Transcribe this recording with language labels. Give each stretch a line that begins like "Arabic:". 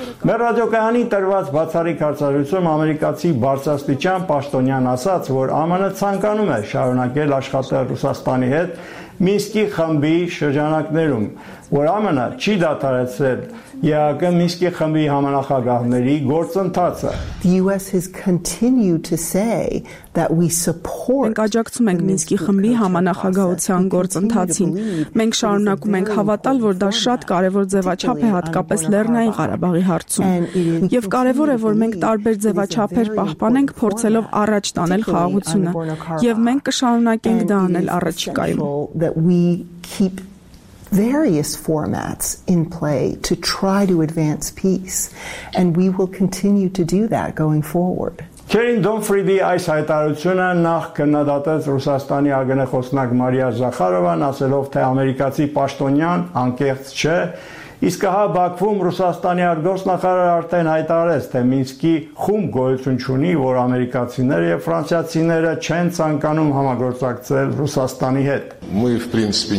Armenian: Մեր ռադիոկայանի տրված բացառիկ հարցազրույցում ամերիկացի բարձրաստիճան պաշտոնյան ասաց, որ ԱՄՆ ցանկանում է շարունակել աշխատել Ռուսաստանի հետ Մինսկի խմբի շրջանակներում, որ ԱՄՆ-ը չի դադարեցրել ԵԱԿ Մինսկի խմբի համանախագահների գործընթացը։
English: The US has continued to say that we support.
Armenian: Մենք աջակցում ենք Մինսկի խմբի համանախագահության գործընթացին։ Մենք շարունակում ենք հավատալ, որ դա շատ կարևոր ձևաչափ է հատկապես Լեռնային Ղարաբաղի հարցում։ Եվ կարևոր է, որ մենք տարբեր ձևաչափեր պահպանենք փորձելով առաջ տանել խաղաղությունը, և մենք կշարունակենք դա անել առաջիկայում։
English: Various formats in play to try to advance peace, and we will continue to do that going forward.
Armenian: Քերին Դոնֆրիդի այս հայտարարությունը նախ քննադատեց Ռուսաստանի ԱԳՆ-խոսնակ Մարիա Զախարովան, ասելով, թե ամերիկացի պաշտոնյան անկեղծ չէ, իսկ ահա Բաքվում Ռուսաստանի արտգործնախարարը արդեն հայտարարեց, թե Մինսկի խումբ գոյություն չունի, որ ամերիկացիները և ֆրանսիացիները չեն ցանկանում համագործակցել Ռուսաստանի հետ։